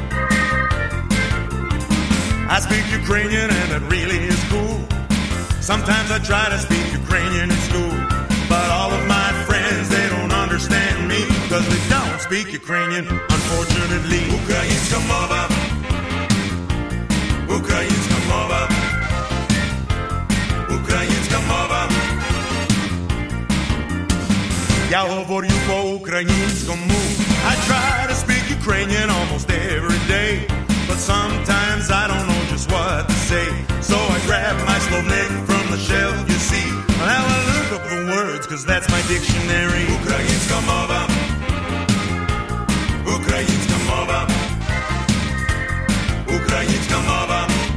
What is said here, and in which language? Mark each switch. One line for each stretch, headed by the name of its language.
English: I speak Ukrainian, and it really is cool. Sometimes I try to speak Ukrainian in school, but all of my friends, they don't understand me, because they don't speak Ukrainian, unfortunately.
Ukrainian: Українська мова, українська мова, українська мова. Я говорю по-українському.
English: I try to speak Ukrainian almost every day, but sometimes I don't know just what to say. So I grab my Slovnik from the shelf, you see. Now I look up the words, cause that's my dictionary.
Ukrainian: Українська мова, українська мова, українська мова.